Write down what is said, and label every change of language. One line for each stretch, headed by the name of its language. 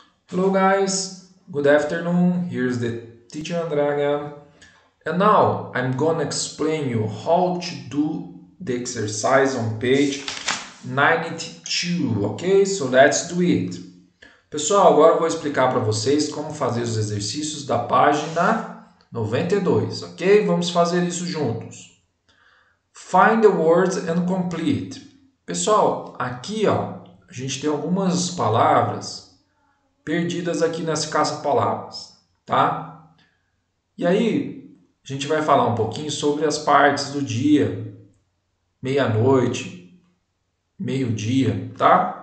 English: Hello guys, good afternoon. Here's the teacher Andrea again. And now I'm gonna explain you how to do the exercise on page 92, ok? So let's do it.
Portuguese: Pessoal, agora eu vou explicar para vocês como fazer os exercícios da página 92, ok? Vamos fazer isso juntos.
English: Find the words and complete.
Portuguese: Pessoal, aqui ó, a gente tem algumas palavras perdidas aqui nessa caça-palavras, tá? E aí, a gente vai falar um pouquinho sobre as partes do dia, meia-noite, meio-dia, tá?